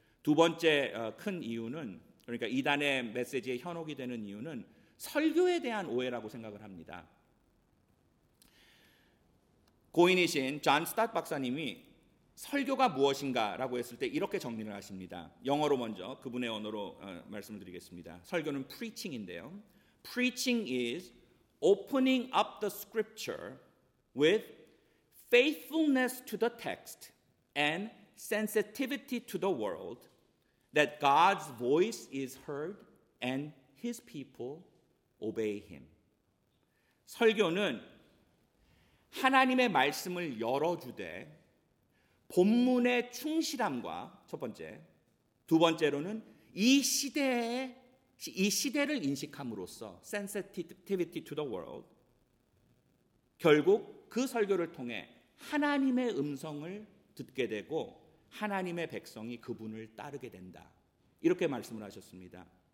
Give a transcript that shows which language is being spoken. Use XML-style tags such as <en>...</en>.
<ko>두 번째 큰 이유는 그러니까 이단의 메시지에 현혹이 되는 이유는 설교에 대한 오해라고 생각을 합니다. 고인이신 존 스탓 박사님이 설교가 무엇인가라고 했을 때 이렇게 정리를 하십니다. 영어로 먼저 그분의 언어로 말씀을 드리겠습니다. 설교는 preaching인데요.</ko> <en>Preaching is opening up the scripture with faithfulness to the text and sensitivity to the world that God's voice is heard and his people obey him.</en> <ko>설교는 하나님의 말씀을 열어주되 본문의 충실함과 첫 번째, 두 번째로는 이 시대를 인식함으로써</ko> <en>sensitivity to the world,</en> <ko>결국 그 설교를 통해 하나님의 음성을 듣게 되고 하나님의 백성이 그분을 따르게 된다, 이렇게 말씀을 하셨습니다.</ko>